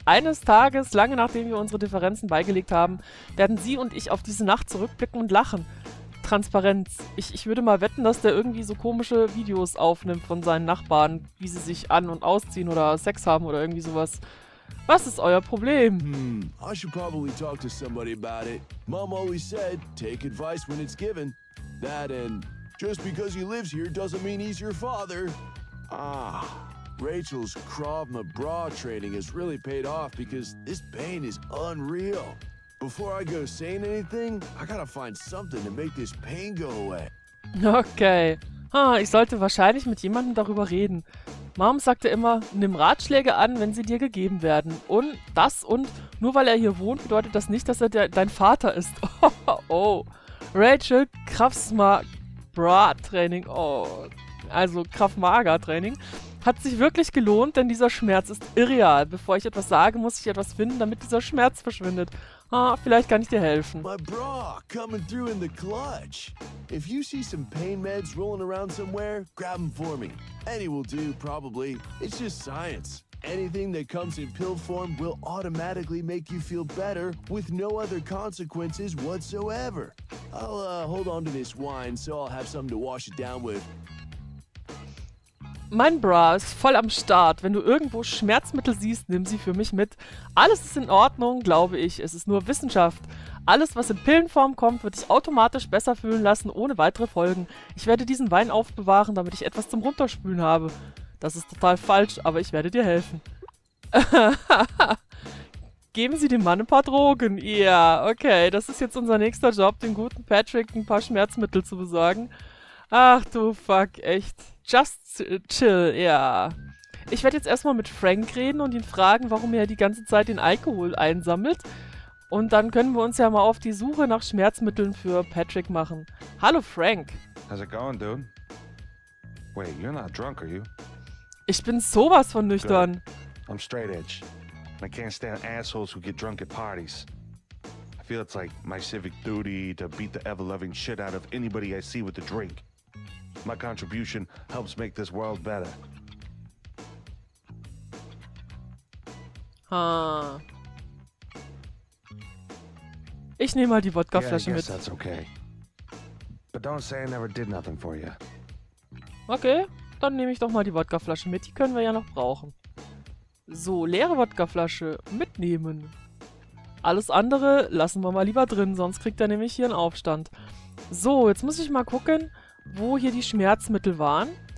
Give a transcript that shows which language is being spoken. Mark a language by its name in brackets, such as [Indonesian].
[German] Eines Tages, lange nachdem wir unsere Differenzen beigelegt haben, werden sie und ich auf diese Nacht zurückblicken und lachen. Transparenz. Ich würde mal wetten, dass der irgendwie so komische Videos aufnimmt von seinen Nachbarn, wie sie sich an- und ausziehen oder Sex haben oder irgendwie sowas. Was ist euer Problem? [English] I should probably talk to somebody about it. Mom always said, take advice when it's given. That and just because he lives here doesn't mean he's your father. Ah, Rachel's Krav Maga training has really paid off because this pain is unreal. Before I go saying anything, I gotta find something to make this pain go away. Okay. [German] Ich sollte wahrscheinlich mit jemandem darüber reden. Mom sagte immer, nimm Ratschläge an, wenn sie dir gegeben werden. Und das und nur weil er hier wohnt, bedeutet das nicht, dass er dein Vater ist. Oh, Rachel, Krav-Maga-Training. Oh, also Krav-Maga-Training. Hat sich wirklich gelohnt, denn dieser Schmerz ist irreal. Bevor ich etwas sage, muss ich etwas finden, damit dieser Schmerz verschwindet. Ah, vielleicht kann ich dir helfen. [English] My bra coming through in the clutch. If you see some pain meds rolling around somewhere, grab them for me. Any will do, probably. It's just science. Anything that comes in pill form will automatically make you feel better with no other consequences whatsoever. I'll hold on to this wine, so I'll have something to wash it down with. [German] Mein Bra ist voll am Start. Wenn du irgendwo Schmerzmittel siehst, nimm sie für mich mit. Alles ist in Ordnung, glaube ich. Es ist nur Wissenschaft. Alles, was in Pillenform kommt, wird dich automatisch besser fühlen lassen, ohne weitere Folgen. Ich werde diesen Wein aufbewahren, damit ich etwas zum Runterspülen habe. Das ist total falsch, aber ich werde dir helfen. Geben Sie dem Mann ein paar Drogen. Ja, okay, das ist jetzt unser nächster Job, dem guten Patrick ein paar Schmerzmittel zu besorgen. Ach du fuck, echt. [English] Just chill, [German] ja. Ich werde jetzt erstmal mit Frank reden und ihn fragen, warum er die ganze Zeit den Alkohol einsammelt. Und dann können wir uns ja mal auf die Suche nach Schmerzmitteln für Patrick machen. Hallo Frank. [English] How's it going, dude? Wait, you're not drunk, are you? [German] Ich bin sowas von nüchtern. [English] Good. I'm straight edge. I can't stand assholes who get drunk at parties. I feel it's like my civic duty to beat the ever-loving shit out of anybody I see with a drink. My contribution helps make this world better. Huh. [German] Ich nehme mal die Wodkaflasche mit. [English] That's okay. But don't say I never did nothing for you. [German] Okay, dann nehme ich doch mal die Wodkaflasche mit. Die können wir ja noch brauchen. So, leere Wodkaflasche mitnehmen. Alles andere lassen wir mal lieber drin, sonst kriegt er nämlich hier einen Aufstand. So, jetzt muss ich mal gucken, wo hier die Schmerzmittel waren.